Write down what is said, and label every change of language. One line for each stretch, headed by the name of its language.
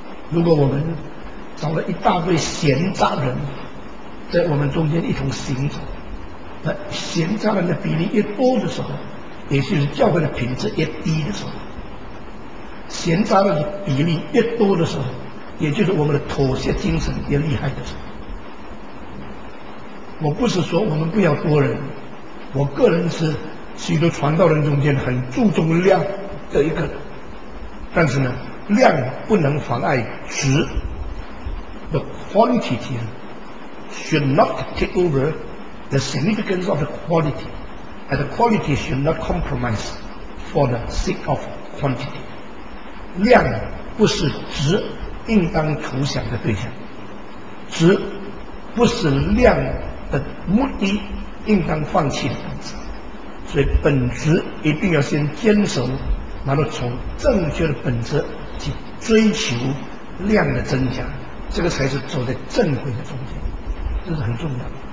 Chinese: 如果我们找了一大堆闲杂人在我们中间一同行走，那闲杂人的比例越多的时候，也就是教会的品质越低的时候，闲杂人的比例越多的时候，也就是我们的妥协精神越厉害的时候。我不是说我们不要多人，我个人是许多传道人中间很注重量的一个，但是呢，量不能妨碍质。
English: The quantity should not take over the significance of the quality, and the quality should not compromise for the sake of quantity.
Chinese: 量不是值应当图想的对象，值不是量的目的应当放弃的本质。所以本质一定要先坚守，然后从正确的本质去追求量的增加，这个才是走在正轨的中间，这是很重要的。